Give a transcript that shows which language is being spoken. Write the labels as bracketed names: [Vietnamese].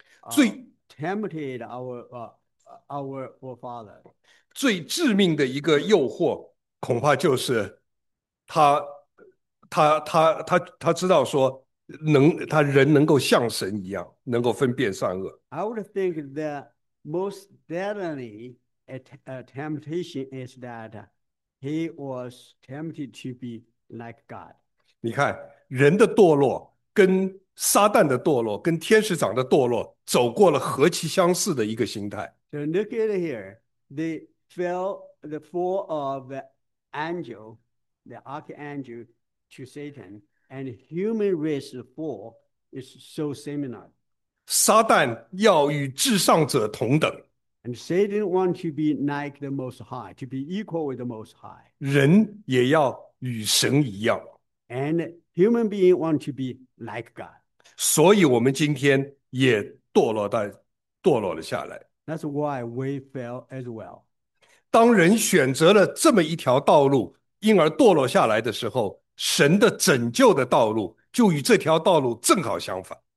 [Chinese] 最。 [English] tempted our forefather. [Chinese] 最致命的一个诱惑，恐怕就是他知道说他人能够像神一样，能够分辨善恶。 [English] I would think the most deadly temptation is that he was tempted to be like God. [Chinese] 你看，人的堕落跟撒旦的堕落，跟天使长的堕落，走过了何其相似的一个心态。 [English] So look at it here. The fall of the angel, the archangel, to Satan, and human race fall is so similar. [Chinese] 撒旦要与至上者同等， [English] And Satan wants to be like the Most High, to be equal with the Most High. [Chinese] 人也要与神一样。 [English] And human beings want to be like God. [Chinese] 所以，我们今天也堕落了下来。 [English] That's why we fell as well. [Chinese] 当人选择了这么一条道路，因而堕落下来的时候，神的拯救的道路就与这条道路正好相反。